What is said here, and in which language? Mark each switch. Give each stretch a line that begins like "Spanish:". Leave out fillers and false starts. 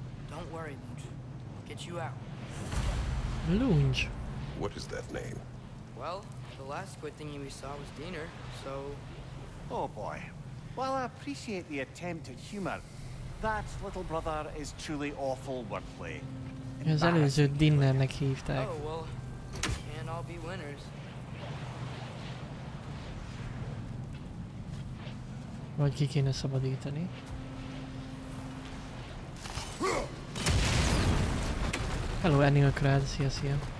English: Don't worry, Lunge. I'll get you out. Lunge. What is that name? Well, the last good thingy we saw was Diener, so... Oh boy. While I appreciate the attempt at humor, that little brother is truly awful wordplay.
Hungarian: Az előző dinnernek hívták.
English: Oh, well, can't all be winners.
Hungarian: Vagy ki kéne szabadítani. Hello, Ennio Krad, szia, szia.